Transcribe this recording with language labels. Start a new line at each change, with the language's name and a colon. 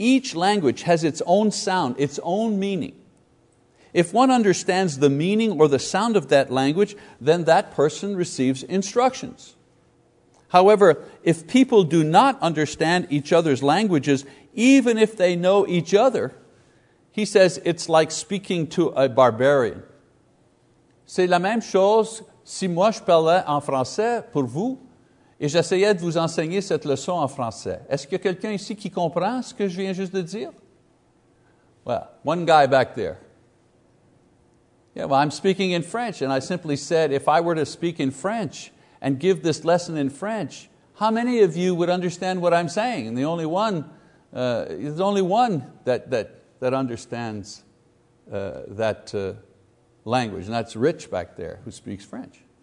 English: Each language has its own sound, its own meaning. If one understands the meaning or the sound of that language, then that person receives instructions. However, if people do not understand each other's languages, even if they know each other, he says it's like speaking to a barbarian.
French: C'est la même chose si moi je parlais en français pour vous. Et j'essayais de vous enseigner cette leçon en français. Est-ce qu'il y a quelqu'un ici qui comprend ce que je viens juste de dire?
English: Well, one guy back there. Yeah, well, I'm speaking in French, and I simply said, if I were to speak in French and give this lesson in French, how many of you would understand what I'm saying? And the only one, there's only one that understands language, and that's Rich back there who speaks French.